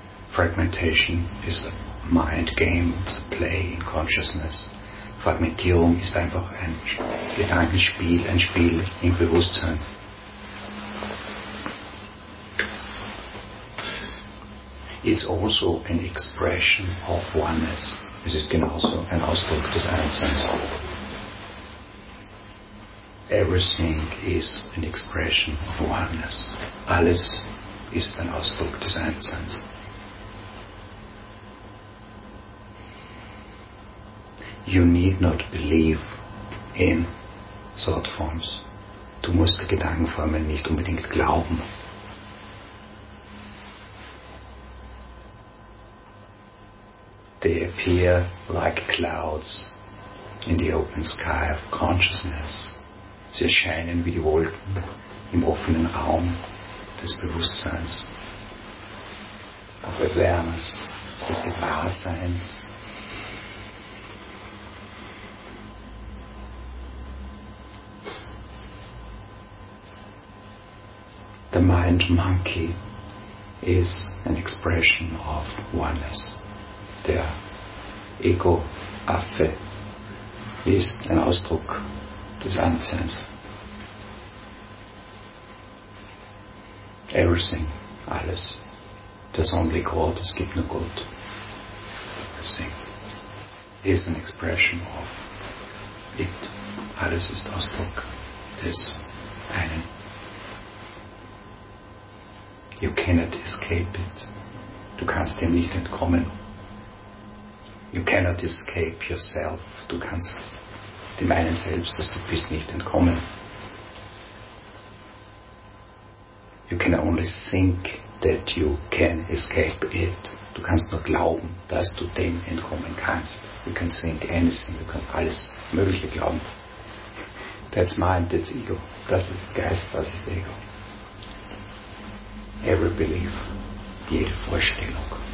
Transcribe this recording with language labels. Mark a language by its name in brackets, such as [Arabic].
[English] Fragmentation is a mind game, it's a play in consciousness. [German] Fragmentierung ist einfach ein Gedankenspiel, ein Spiel im Bewusstsein. [English] It's also an expression of oneness. [German] Es ist genauso ein Ausdruck des Einsseins. [English] Everything is an expression of oneness. [German] Alles ist ein Ausdruck des Einsseins. [English] You need not believe in thought forms. [German] Du musst Gedankenformen nicht unbedingt glauben. [English] They appear like clouds in the open sky of consciousness. [German] Sie erscheinen wie die Wolken im offenen Raum des Bewusstseins, [English] of awareness, [German] des Gewahrseins. [English] The mind monkey is an expression of oneness. [German] Der Ego-Affe ist ein Ausdruck des Einsseins. [English] Everything, [German] alles. [English] There's only God, [German] es gibt nur Gott. [English] Everything is an expression of it. [German] Alles ist Ausdruck des Einen. [English] You cannot escape it. [German] Du kannst dem nicht entkommen. [English] You cannot escape yourself. [German] Du kannst dem einen selbst, das du bist, nicht entkommen. [English] You can only think that you can escape it. [German] Du kannst nur glauben, dass du dem entkommen kannst. [English] You can think anything. [German] Du kannst alles Mögliche glauben. [English] That's mind, that's ego. [German] Das ist Geist, das ist Ego. [English] Every belief, [German] jede Vorstellung.